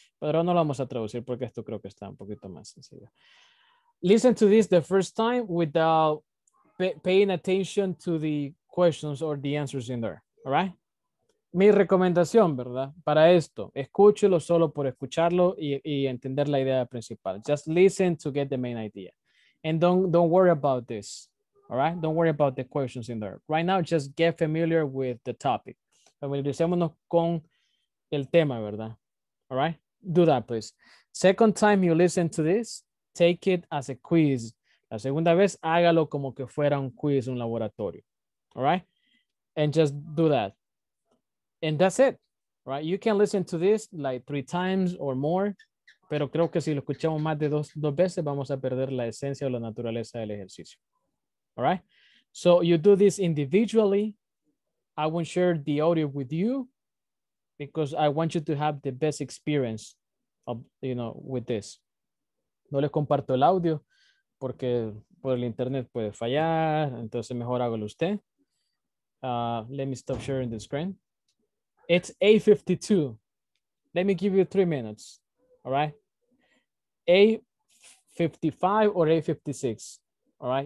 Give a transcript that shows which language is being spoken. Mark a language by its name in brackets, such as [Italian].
[Spanish] Pero no lo vamos a traducir porque esto creo que está un poquito más sencillo. [English] Listen to this the first time without paying attention to the questions or the answers in there, all right? [Spanish] Mi recomendación, ¿verdad? Para esto, escúchelo solo por escucharlo y entender la idea principal. [English] Just listen to get the main idea. And don't worry about this, all right? Don't worry about the questions in there. Right now, just get familiar with the topic. [Spanish] Familiaricémonos con el tema, ¿verdad? [English] All right? Do that, please. Second time you listen to this, take it as a quiz. [Spanish] La segunda vez, hágalo como que fuera un quiz, un laboratorio. [English] All right? And just do that. And that's it, right? You can listen to this like 3 times or more, [Spanish] pero creo que si lo escuchamos más de dos veces, vamos a perder la esencia o la naturaleza del ejercicio. [English] All right? So you do this individually. I won't share the audio with you because I want you to have the best experience of, you know, with this. [Spanish] No les comparto el audio porque por el internet puede fallar, entonces mejor hágalo usted. [English] Let me stop sharing the screen. It's 8:52. Let me give you 3 minutes. All right. 8:55 or 8:56. All right.